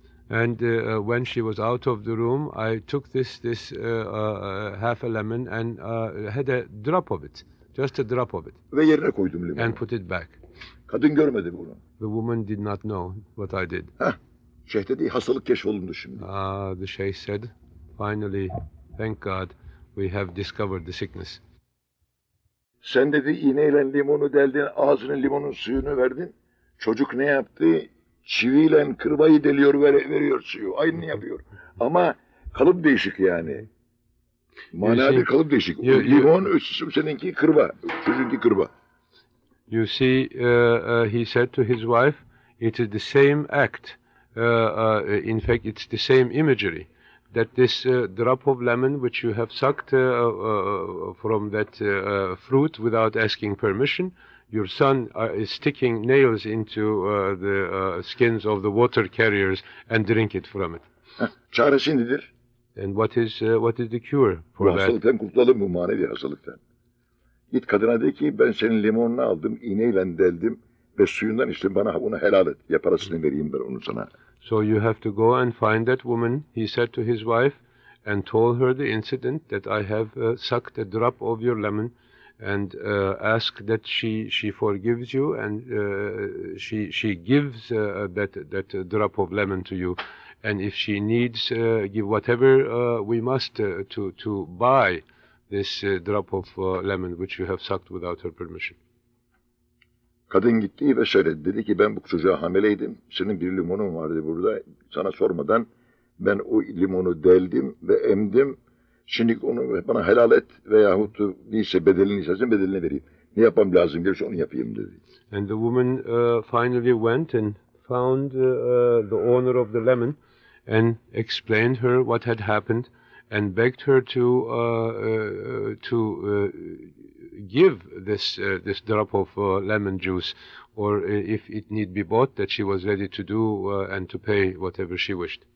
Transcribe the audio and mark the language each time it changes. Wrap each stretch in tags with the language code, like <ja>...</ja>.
<en>And when she was out of the room, I took this half a lemon and had a drop of it, just a drop of it.</en> <tr>Ve yerine koydum limonu.</tr> <en>And put it back.</en> <tr>Kadın görmedi bunu.</tr> <en>The woman did not know what I did.</en> <tr>Şeyh dedi, hastalık keşfolundu şimdi.</tr> <en>The sheikh said, finally, thank God, we have discovered the sickness.</en> <tr>Sen dedi, iğneyle limonu deldin, ağzının limonun suyunu verdin. Çocuk ne yaptı? Çiviyle kırbayı deliyor, veriyor suyu. Aynı yapıyor. Ama kalıp değişik yani. Manada bir kalıp değişik. Limon, seninki kırba. Çocuğunki kırba.</tr> <en>You see, he said to his wife, it is the same act. In fact, it's the same imagery. That this drop of lemon which you have sucked from that fruit without asking permission, your son is sticking nails into the skins of the water carriers and drink it from it.</en> <tr>Çaresi nedir?</tr> <en>And what is the cure for that?</en> <tr>Bu hastalıktan kurtulalım, bu manevi hastalıktan. Git kadına de ki ben senin limonunu aldım, iğneyle deldim ve suyundan içtim, bana bunu helal et. Ya parasını vereyim ben onu sana.</tr> <en>So you have to go and find that woman, he said to his wife, and told her the incident that I have sucked a drop of your lemon and ask that she forgives you and she gives that drop of lemon to you. And if she needs, give whatever we must to buy this drop of lemon which you have sucked without her permission.</en> <tr>Kadın gitti ve söyledi. Dedi ki ben bu çocuğa hamileydim. Senin bir limonun vardı burada. Sana sormadan ben o limonu deldim ve emdim. Şimdi onu bana helal et veyahut neyse bedelini istersen bedelini vereyim. Ne yapmam lazım gelirse onu yapayım dedi.</tr> <en>And the woman finally went and found the owner of the lemon and explained her what had happened and begged her to give this drop of lemon juice or if it need be bought, that she was ready to do and to pay whatever she wished.</en>